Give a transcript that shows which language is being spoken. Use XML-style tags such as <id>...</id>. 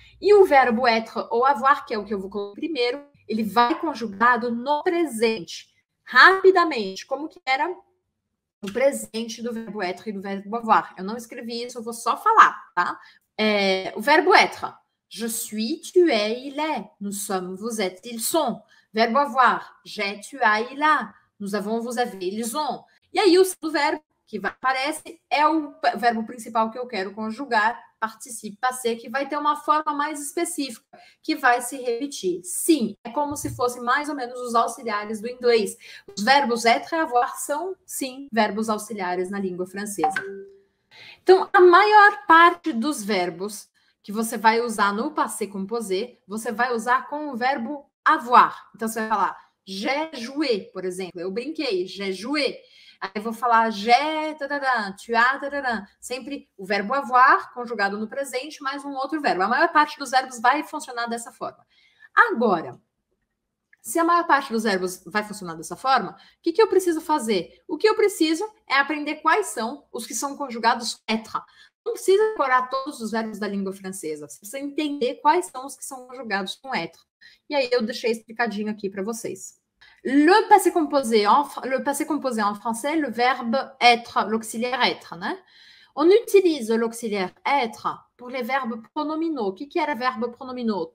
<pt>E o verbo être ou avoir, que é o que eu vou colocar primeiro, ele vai conjugado no presente. Rapidamente, como que era o presente do verbo être e do verbo avoir. Eu não escrevi isso, eu vou só falar, tá? O verbo être.</pt> <fr>Je suis, tu es, il est. Nous sommes, vous êtes, ils sont.</fr> <pt>Verbo avoir.</pt> <fr>J'ai, tu as, il a. Nous avons, vous avez, ils ont.</fr> <pt>E aí, o segundo verbo que aparece é o verbo principal que eu quero conjugar, participe, passé, que vai ter uma forma mais específica, que vai se repetir. Sim, é como se fossem mais ou menos os auxiliares do inglês. Os verbos être e avoir são, sim, verbos auxiliares na língua francesa. Então, a maior parte dos verbos que você vai usar no passé composé, você vai usar com o verbo avoir. Então, você vai falar,</pt> <fr>j'ai joué,</fr> <pt>por exemplo. Eu brinquei, j'ai joué. Aí eu vou falar, j'ai, tararã, tu as, tararã. Sempre o verbo avoir, conjugado no presente, mais um outro verbo. A maior parte dos verbos vai funcionar dessa forma. Agora, se a maior parte dos verbos vai funcionar dessa forma, o que, que eu preciso fazer? O que eu preciso é aprender quais são os que são conjugados être. Não precisa decorar todos os verbos da língua francesa. Você precisa entender quais são os que são conjugados com être. E aí eu deixei explicadinho aqui para vocês.</pt> <fr>Le passé composé en français, le verbe être, l'auxiliaire être, né? On utilise l'auxiliaire être pour les verbes pronominaux.</fr> <pt>O que, que era verbo pronominal?</pt>